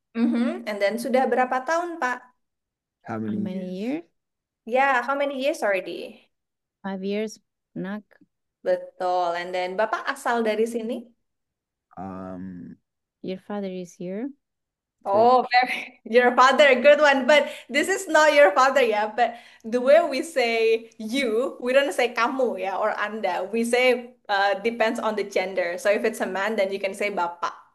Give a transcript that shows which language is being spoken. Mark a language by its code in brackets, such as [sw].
[en] And then [id] sudah berapa tahun, Pak? [en] How many How many years? years? Yeah, how many years already? 5 years, nak. [id] Betul. [en] And then [id] Bapak asal dari sini? [en] Your father is here. Oh, very, your father, good one. But this is not your father, yeah. But the way we say you, we don't say kamu, yeah, or anda. We say depends on the gender. So if it's a man, then you can say bapak.